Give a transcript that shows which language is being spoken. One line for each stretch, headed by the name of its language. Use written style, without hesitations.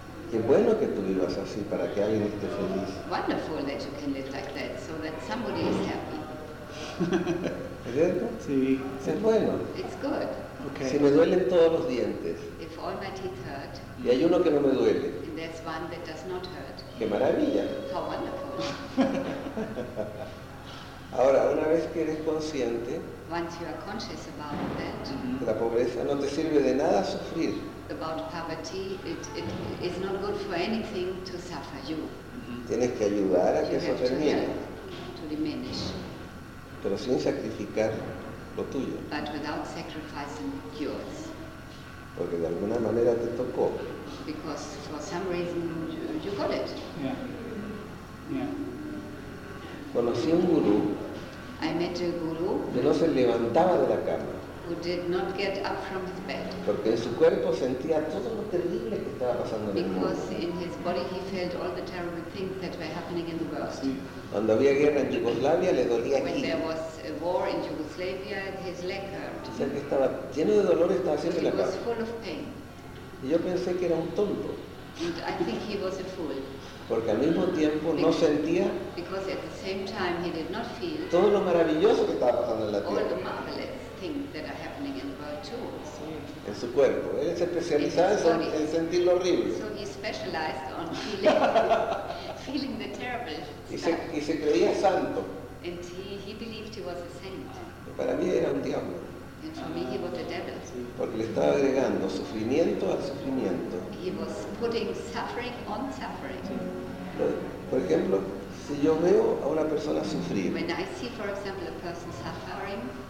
Spanish: Qué bueno que tú vivas así para que alguien esté feliz.
English: Wonderful that you can live like that, so that somebody is happy.
Spanish: ¿Es cierto? Sí. Es bueno.
English: It's good. Okay.
Spanish: Si me duelen todos los dientes.
English: If all my teeth hurt.
Spanish: Y hay uno que no me duele.
English: And there's one that does not hurt.
Spanish: Qué maravilla.
English: How wonderful.
Spanish: Ahora, una vez que eres consciente,
English: once you are conscious about that,
Spanish: la pobreza no te sirve de nada sufrir.
English: About poverty, it is not good for anything to suffer you.
Spanish: Tienes que ayudar a
English: you
Spanish: que eso termine.
English: To diminish.
Spanish: Pero sin sacrificar lo tuyo.
English: But without sacrificing yours.
Spanish: Porque de alguna manera te tocó.
English: Because for some reason you got it. Yeah.
Spanish: Conocí un gurú.
English: I met a guru
Spanish: que no se levantaba de la cama.
English: Who did not get up from his bed.
Spanish: Porque en su cuerpo sentía todo lo terrible que estaba pasando en el mundo.
English: Because in his body he felt all the terrible things that were happening in the world.
Spanish: Sí. Cuando había guerra en Yugoslavia le dolía aquí.
English: When there was a war in Yugoslavia, his leg hurt.
Spanish: O sea que estaba lleno de dolor, estaba siempre en la cama.
English: He was full of pain.
Spanish: Y yo pensé que era un tonto.
English: And I think he was a fool.
Spanish: Porque al mismo tiempo no sentía
English: at the same time he did not feel
Spanish: todo lo maravilloso que estaba pasando en la tierra.
English: All the marvelous things that are happening in the world too.
Spanish: En su cuerpo. Él es especializado en sentir lo horrible.
English: So he specialized on feeling the terrible stuff.
Spanish: Y se creía santo.
English: And he believed he was a saint.
Spanish: Y para mí era un diablo.
English: And for me he was a devil.
Spanish: Porque le estaba agregando sufrimiento al sufrimiento.
English: He was putting suffering on suffering.
Spanish: Por ejemplo, si yo veo a una persona sufrir,
English: when I see, for example, a person suffering,